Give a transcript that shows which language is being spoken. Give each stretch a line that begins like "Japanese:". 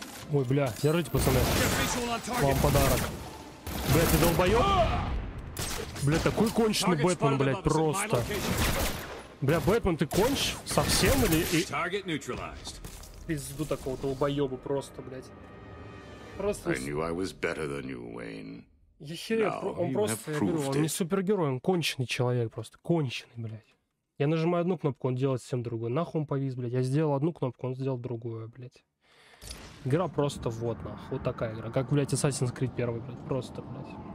Russian: Ой, бля, держите, пацаны. Вам подарок. Бля, ты долбоёб? Бля, такой конченый Бэтмен, блядь, просто. Бля, Бэтмен, ты конч? Совсем или...
English: Target neutralized.
Russian: Пизду такого долбоёба просто, блядь. Просто...
English: I knew I was better than you, Wayne.
Russian: Он просто, я говорю, он не супергерой, он конченый человек просто, конченый, блядь. Я нажимаю одну кнопку, он делает всем другую. Нахуй он повис, блядь, я сделал одну кнопку, он сделал другую, блядь. Игра просто вот, нахуй, вот такая игра. Как, блядь, Assassin's Creed 1, блядь, просто, блядь.